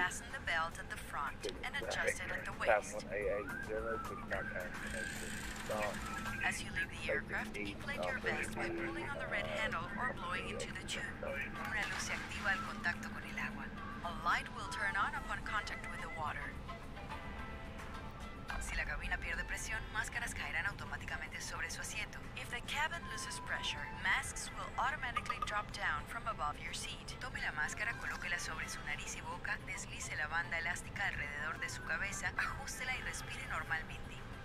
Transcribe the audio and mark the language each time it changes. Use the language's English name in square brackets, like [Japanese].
[English] As you leave the aircraft, you play your best by pulling on the red handle or blowing into the tube. [Spanish] Una luz se activa al contacto con el agua. [English] A light will turn on upon contact with the water. [Spanish] Si la cabina pierde presión, máscaras caerán automáticamente sobre su asiento. [English] If the cabin loses pressure, masks will automatically drop down from above your seat. [Spanish] Tome la máscara, colóquela sobre su nariz y boca, deslice la banda elástica alrededor de su cabeza, ajústela y respire normalmente.